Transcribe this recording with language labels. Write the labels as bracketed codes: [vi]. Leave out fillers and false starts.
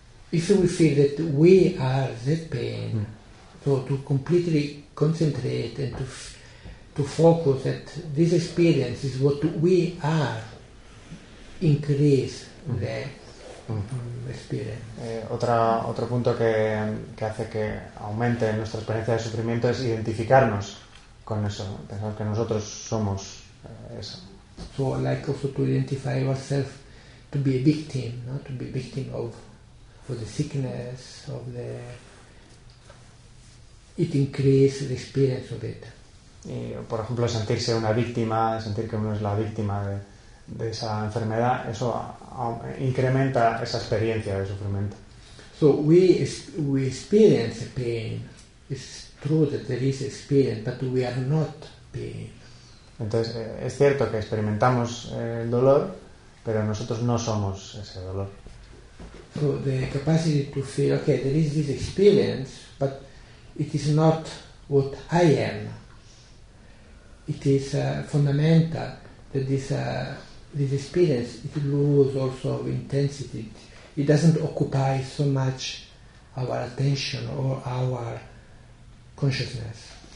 [en] If we feel that we are that pain, so to completely concentrate and to focus that this experience is what we are, increase the experience. [es] Otro punto que hace que aumente nuestra experiencia de sufrimiento es identificarnos con eso, pensar que nosotros somos eso. [en] So like also to identify ourselves to be a victim, no? To be a victim of for the sickness of the, it increases the experience of it. [es] Y por ejemplo sentirse una víctima, sentir que uno es la víctima de esa enfermedad, eso incrementa esa experiencia de sufrimiento. [en] So we experience pain. It's true that there is experience, but we are not pain. [es] Entonces es cierto que experimentamos el dolor, pero nosotros no somos ese dolor. [en] So the capacity to feel, okay, there is this experience, but it is not what I am. It is fundamental that this experience, it loses also intensity. It doesn't occupy so much our attention or our consciousness.